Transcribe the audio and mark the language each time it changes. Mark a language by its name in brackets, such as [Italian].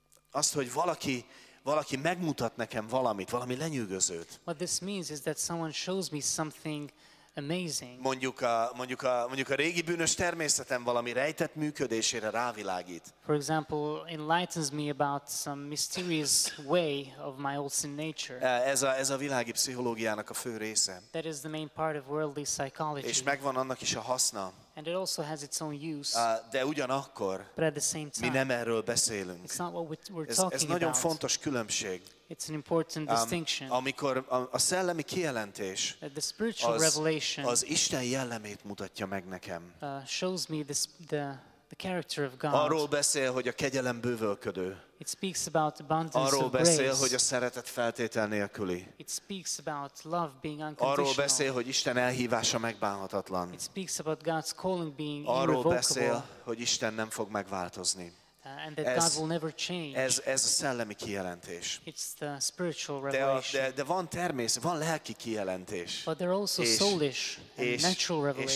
[Hungarian] Azt, hogy valaki megmutat nekem valamit, valami lenyűgözőt. [English] What this means is that someone shows me something amazing. [Hungarian] Mondjuk a régi bűnös természetem valami rejtett működésére rávilágít. [English] For example, enlightens me about some mysterious way of my old sin nature. [Hungarian] Ez a világi pszichológiának a fő része. [English] That is the main part of worldly psychology. [Hungarian] És megvan annak is a haszna. [English] And it also has its own use. [Hungarian] De ugyanakkor, [English] but at the same time, [Hungarian] mi nem erről beszélünk. [English] It's not what we're talking about. [Hungarian] Ez nagyon fontos különbség. [English] It's an important distinction. [Hungarian] Amikor a szellemi kijelentés az Isten jellemét mutatja meg nekem. [English] Shows me the character of God. [Hungarian] Arról beszél, hogy a kegyelem bővölködő. [English] It speaks about abundance of grace. [Hungarian] Arról beszél, hogy a szeretet feltétel nélküli. [English] It speaks about love being unconditional. [Hungarian] Arról beszél, hogy Isten elhívása megbánhatatlan. [English] It speaks about God's calling being irrevocable. [Hungarian] Arról beszél, hogy Isten nem fog megváltozni. [English] And that God will never change. [Hungarian] Ez a szellemi kijelentés. [English] It's the spiritual revelation. [Hungarian] De van természet, van lelki kijelentés. [English] But there are also soulish and natural revelations.